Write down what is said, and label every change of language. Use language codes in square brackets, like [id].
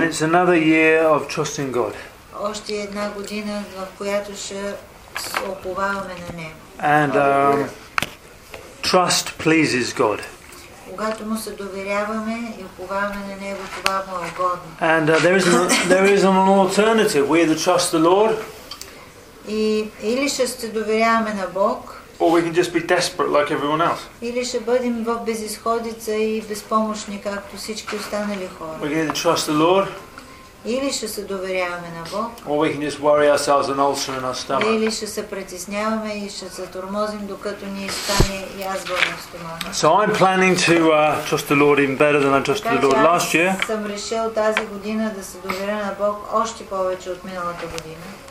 [en] And it's another year of trusting God. [bg] Още една година, в която ще се уповаваме на Него. [en] And trust pleases God. [bg] Когато му се доверяваме и уповаваме на Него, това му е угодно. [en] And there is an alternative. We either trust the Lord. [bg] И или ще се доверяваме на Бог. [en] Or we can just be desperate like everyone else. [bg] Или ще бъдем в безисходица и безпомощни както всички останали хора. [en] We can either trust the Lord. [bg] Или ще се доверяваме на Бог. [en] Or we can just worry ourselves an ulcer in our stomach. [bg] Или ще се притесняваме и ще се тормозим докато ни стане язва на стомаха. [en] So I'm planning to trust the Lord even better than I trusted the Lord last year. [bg] Съм решил тази година да се доверя на Бог още повече от миналата година.